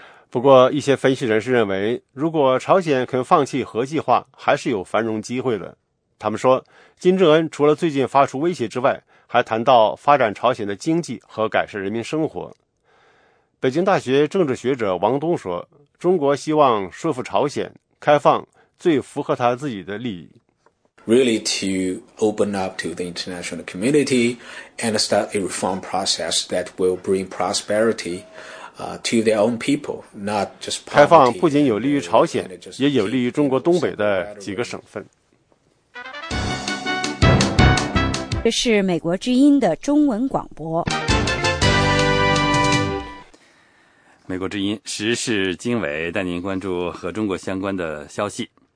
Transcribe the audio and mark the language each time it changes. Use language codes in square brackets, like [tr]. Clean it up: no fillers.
[zh] 不过，一些分析人士认为，如果朝鲜肯放弃核计划，还是有繁荣机会的。他们说，金正恩除了最近发出威胁之外，还谈到发展朝鲜的经济和改善人民生活。北京大学政治学者王东说，中国希望说服朝鲜开放最符合他自己的利益。 [en] Really to open up to the international community and start a reform process that will bring prosperity to their own people, not just poverty. [zh] 开放不仅有利于朝鲜，也有利于中国东北的几个省份。这是美国之音的中文广播。美国之音时事经纬带您关注和中国相关的消息。